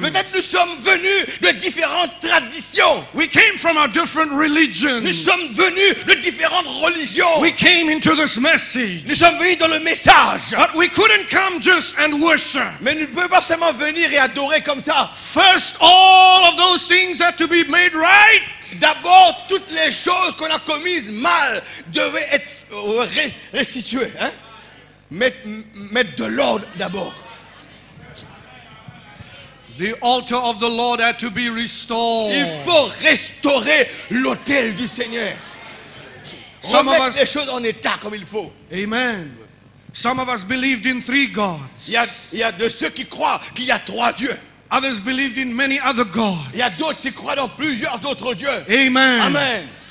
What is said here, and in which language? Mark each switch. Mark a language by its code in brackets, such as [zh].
[fr] Peut-être nous sommes venus de différentes traditions. [en] We came from our different religions. [fr] Nous sommes venus de différentes religions. [en] We came into this message. [fr] Nous sommes venus dans le message. [en] But we couldn't come just and worship. [fr] Mais nous ne pouvons pas seulement venir et adorer comme ça. [en] First, all of those things had to be made right. [fr] D'abord, toutes les choses qu'on a commises mal devaient être restituées. Hein? Mettre de l'ordre d'abord. [en] The altar of the Lord had to be restored. [fr] Il faut restaurer l'autel du Seigneur. [en] Some [fr] remettre [en] of us, [fr] les choses en état comme il faut. [en] Amen. Some of us believed in three gods. [fr] Il y a de ceux qui croient qu'il y a trois dieux. [en] Others believed in many other gods. [fr] Il y a d'autres qui croient dans plusieurs autres dieux. Amen. Amen.